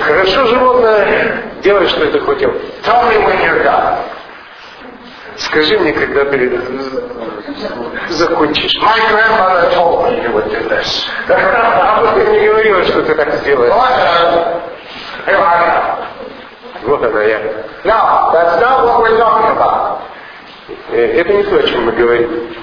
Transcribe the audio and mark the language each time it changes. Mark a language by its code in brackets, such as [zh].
[ru] Хорошо, животное, делай, что ты хотел. [en] Tell me when you're done. [ru] Скажи мне, когда ты закончишь. [en] My grandfather told me you would do this. [ru] Ты не говорила, что ты так сделаешь. Вот она я. [en] Now, that's not what we're talking about. [ru] Это не то, о чем мы говорим.